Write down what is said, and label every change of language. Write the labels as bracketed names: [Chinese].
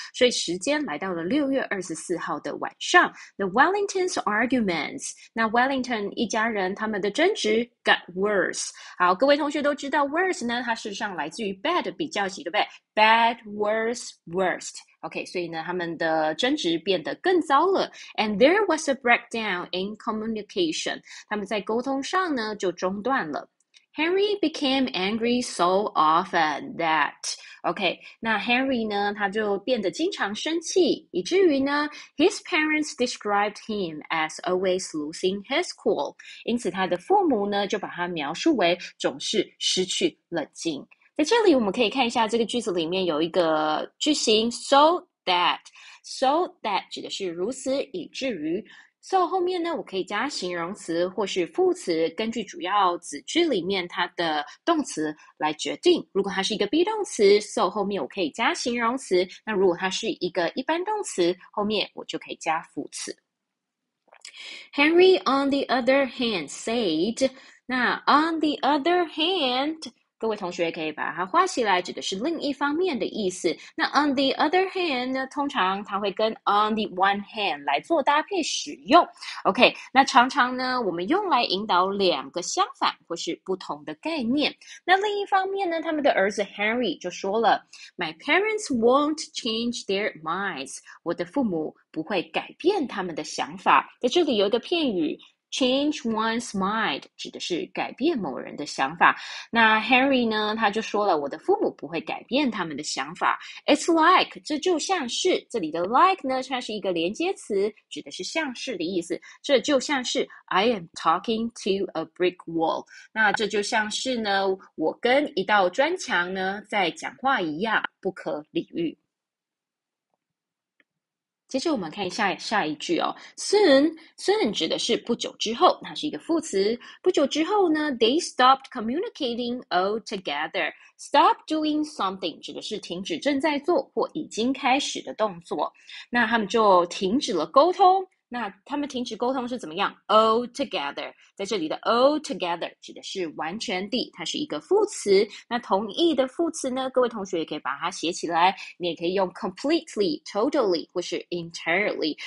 [Chinese] 所以时间来到了6月24号的晚上， [English] The Wellingtons' arguments， [Chinese] 那 Wellington 一家人他们的争执。 [English] Got worse。 [Chinese] 好，各位同学都知道 worse 呢，它事实上来自于 bad 比较级，对不对？ [English] Bad, worse, worst。 [Chinese] OK，所以呢，他们的争执变得更糟了。 [English] And there was a breakdown in communication。 [Chinese] 他们在沟通上呢就中断了。 [English] Henry became angry so often that。 [Chinese] OK，那 Henry 呢，他就变得经常生气，以至于呢， [English] his parents described him as always losing his cool。 [Chinese] 因此，他的父母呢，就把他描述为总是失去冷静。在这里，我们可以看一下这个句子里面有一个句型 so that，so that 指的是如此以至于。 so 后面呢，我可以加形容词或是副词，根据主要子句里面它的动词来决定。如果它是一个 be 动词，so 后面我可以加形容词；那如果它是一个一般动词，后面我就可以加副词。 [English] Henry, on the other hand, said，那 on the other hand。 [Chinese] 各位同学可以把它画起来，指的是另一方面的意思。那 on the other hand 呢，通常它会跟 on the one hand 来做搭配使用。 OK，那常常呢，我们用来引导两个相反或是不同的概念。那另一方面呢，他们的儿子 Henry 就说了： [English] “My parents won't change their minds。 [Chinese] ”我的父母不会改变他们的想法。在这里有一个片语。 Change one's mind 指的是改变某人的想法。那 Henry 呢，他就说了，我的父母不会改变他们的想法。 [English] It's like [Chinese] 这就像是，这里的 like 呢，它是一个连接词，指的是像是的意思。这就像是 [English] I am talking to a brick wall。 [Chinese] 那这就像是呢，我跟一道砖墙呢在讲话一样，不可理喻。接着我们看下一句哦，soon 指的是不久之后，它是一个副词。不久之后呢， [English] they stopped communicating altogether。 [Chinese] Stop doing something 指的是停止正在做或已经开始的动作。那他们就停止了沟通。那他们停止沟通是怎么样？Altogether 在这里的 altogether 指的是完全地，它是一个副词。那同义的副词呢？各位同学也可以把它写起来，你也可以用 completely、totally 或是 entirely。